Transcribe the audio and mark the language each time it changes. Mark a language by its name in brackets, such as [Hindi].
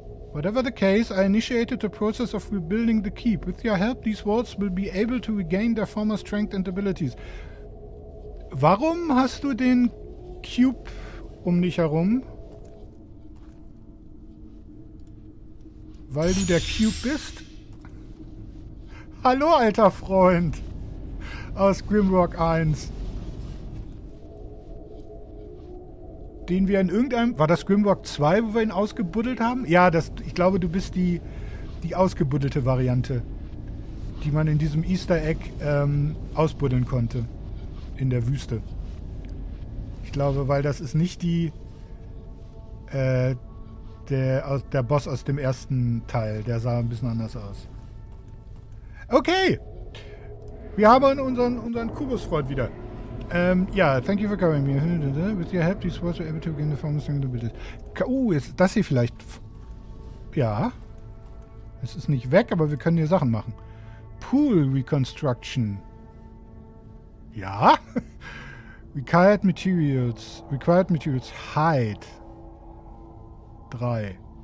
[English] Whatever the case, I initiated the process of rebuilding the keep. With your help, these walls will be able to regain their former strength and abilities. [German] Warum hast du den Cube um dich herum? Weil du der Cube bist? Hallo, alter Freund! Aus Grimrock 1. Den wir in irgendeinem... War das Grimrock 2, wo wir ihn ausgebuddelt haben? Ja, das, ich glaube, du bist die ausgebuddelte Variante, die man in diesem Easter Egg ausbuddeln konnte. In der Wüste. Ich glaube, weil das ist nicht die... der Boss aus dem ersten Teil. Der sah ein bisschen anders aus. Okay! Wir haben unseren Kubus-Freund wieder. Ja, [English] thank you for coming here. With your help, these walls are able to gain the form of the abilities. [German] Ist das hier vielleicht... Ja. Es ist nicht weg, aber wir können hier Sachen machen. [English] Pool Reconstruction. Ja. Required Materials. Hide. 3.